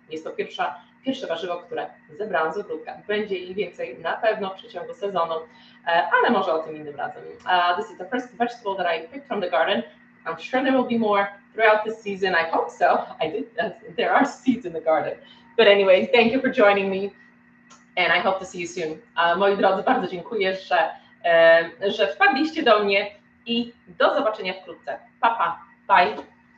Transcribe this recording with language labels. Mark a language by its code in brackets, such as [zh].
[pl] Jest to pierwsze warzywo, które zebrałam z ogródka. Będzie ich więcej na pewno w przeciągu sezonu, ale może o tym innym razem. [en] This is the first vegetable that I picked from the garden. I'm sure there will be more throughout the season. I hope so. I did. There are seeds in the garden. But anyway, thank you for joining me and I hope to see you soon. [pl] Moi drodzy, bardzo dziękuję, że wpadliście do mnie. I do zobaczenia wkrótce. Pa, pa. Bye.